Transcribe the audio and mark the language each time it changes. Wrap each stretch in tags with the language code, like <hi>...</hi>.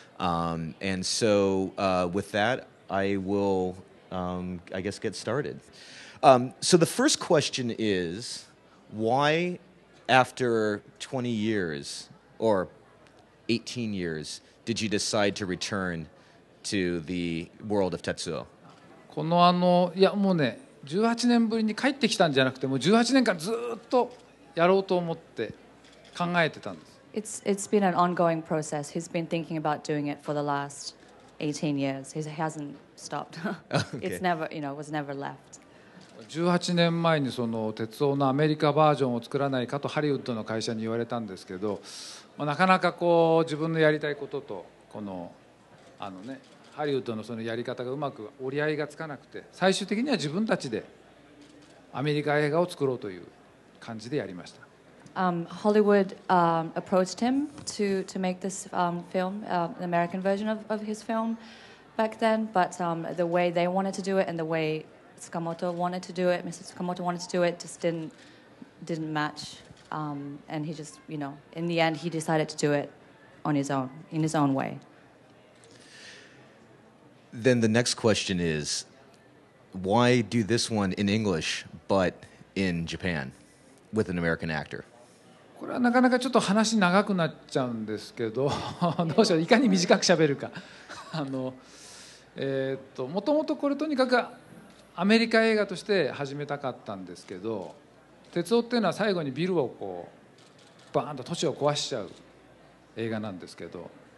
<en>And so with that, I will, I guess, get started. So the first question is, why after 20 years, or 18 years, did you decide to return to the world of Tetsuo?</en> <ja>この18年ぶりに帰ってきたんじゃなくて、もう18年間ずっとやろうと思って考えてたんです。</ja> <en>It's been an ongoing process. He's been thinking about doing it for the last 18 years. He hasn't stopped. Okay. It's never, you know, was never left.</en> <ja>18年前にその鉄道のアメリカバージョンを作らないかとハリウッドの会社に言われたんですけど、まあ、なかなかこう自分のやりたいこととこのあのね。ハリウッドのそのやり方がうまく折り合いがつかなくて、最終的には自分たちでアメリカ映画を作ろうという感じでやりました。</ja> <en>Hollywood approached him to make this film, an American version of his film back then, but the way they wanted to do it and the way Tsukamoto wanted to do it, Mr. Tsukamoto wanted to do it, just didn't match. And he just, you know, in the end, he decided to do it on his own, in his own way. Then the next question is, why do this one in English but in Japan with an American actor?</en> <ja>これはなかなかちょっと話長くなっちゃうんですけど、どうしよう、いかに短くしゃべるか。もともとこれとにかくアメリカ映画として始めたかったんですけど、鉄道っていうのは最後にビルをこうバーンと都市を壊しちゃう映画なんですけど、</ja>